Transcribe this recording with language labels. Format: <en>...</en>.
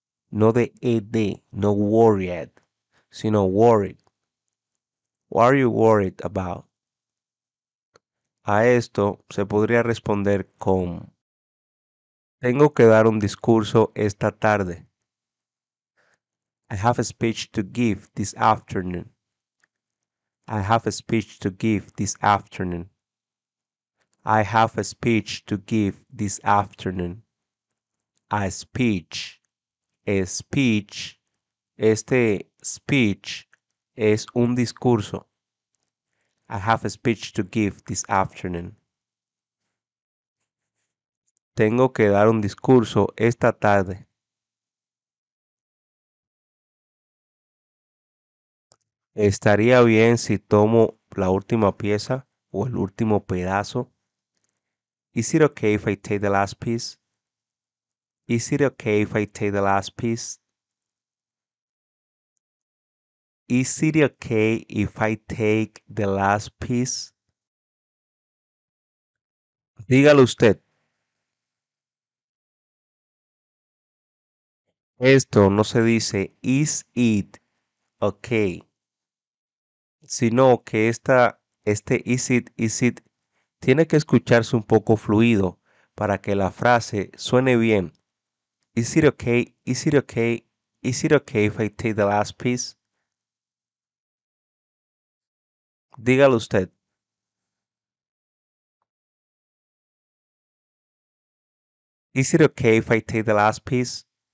<es>No de ED, no worried, sino worried.</es> <en>What are you worried about?</en> <es>A esto se podría responder con: tengo que dar un discurso esta tarde.</es> <en>I have a speech to give this afternoon. I have a speech to give this afternoon. I have a speech to give this afternoon. A speech.</en> <es>Este speech es un discurso.</es> <en>I have a speech to give this afternoon.</en> <es>Tengo que dar un discurso esta tarde. ¿Estaría bien si tomo la última pieza o el último pedazo?</es> <en>Is it okay if I take the last piece? Is it okay if I take the last piece? Is it okay if I take the last piece?</en> <es>Dígalo usted. Esto no se dice</es> <en>is it Okay.</en> <es>Sino que este is it tiene que escucharse un poco fluido para que la frase suene bien.</es> <en>Is it okay? Is it okay? Is it okay if I take the last piece?</en> <es>Dígalo usted.</es> <en>Is it okay if I take the last piece?</en>